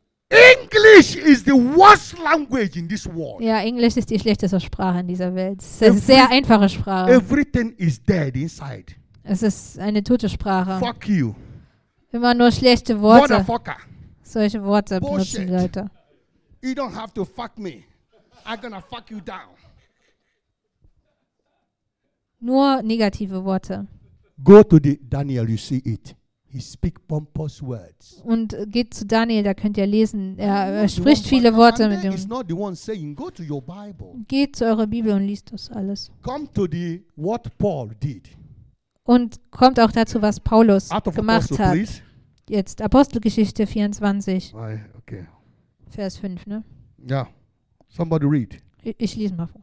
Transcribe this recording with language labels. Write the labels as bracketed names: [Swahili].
[English] English is the worst language in this world. [German] Ja, Englisch ist die schlechteste Sprache in dieser Welt. Es ist eine sehr einfache Sprache. [English] Everything is dead inside. [German] Es ist eine tote Sprache. [English] Fuck you. [German] Immer nur schlechte Worte. [English] Motherfucker. [German] Solche Worte benutzen Leute. [English] You don't have to fuck me. I'm gonna fuck you down. [German] Nur negative Worte. [English] Go to the Daniel, you see it. He speak pompous words. [German] Und geht zu Daniel, da könnt ihr lesen. Er spricht viele Worte mit ihm. [English] He's not the one saying, go to your Bible. [German] Geht zu eurer Bibel und liest das alles. [English] Come to the what Paul did. [German] Und kommt auch dazu, was Paulus gemacht hat. Jetzt Apostelgeschichte 24. Okay. Vers 5, ne? [English] Ja. Yeah. Somebody read. [German] Ich lese mal vor.